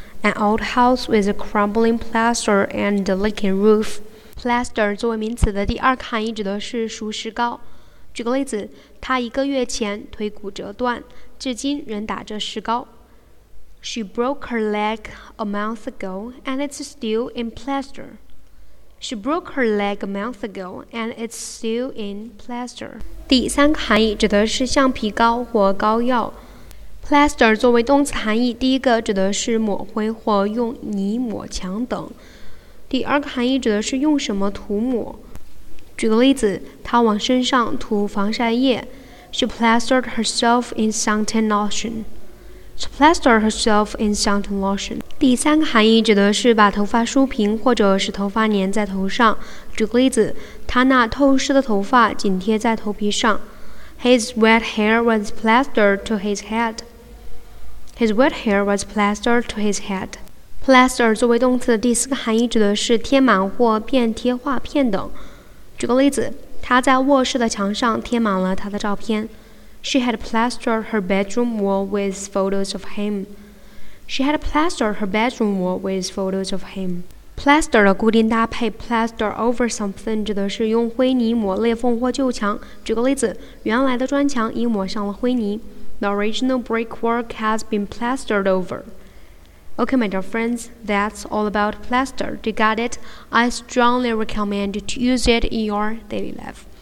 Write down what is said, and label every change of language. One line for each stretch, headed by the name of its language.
English: An old house with a crumbling plaster and a leaking roof.
Chinese: Plaster 作为名词的第二含义指的是熟石膏。举个例子，他一个月前腿骨折断，至今仍打着石膏。
English: She broke her leg a month ago and it's still in plaster. She broke her leg a month ago and it's still in plaster.
Chinese: 第三个含义指的是橡皮膏或膏药。 Plaster 作为动词含义，第一个指的是抹灰或用泥抹墙等。第二个含义指的是用什么涂抹。举个例子，她往身上涂防晒液。
English: She plastered herself in suntan lotion. She plastered herself in suntan lotion.
Chinese: 第三个含义指的是把头发梳平或者使头发粘在头上。举个例子，她那透湿的头发紧贴在头皮上。
English: His wet hair was plastered to his head. His wet hair was plastered to his head.
Chinese: Plaster 作为动词的第四个含义指的是贴满或便贴画片等。举个例子，她在卧室的墙上贴满了她的照片。
English: She had plastered her bedroom wall with photos of him. She had plastered her bedroom wall with photos of him.
Chinese: Plaster 的固定搭配 plaster over something 指的是用灰泥抹裂缝或旧墙。举个例子，原来的砖墙已抹上了灰泥。
English: The original brickwork has been plastered over. Okay, my dear friends, that's all about plaster. Do you got it? I strongly recommend to use it in your daily life.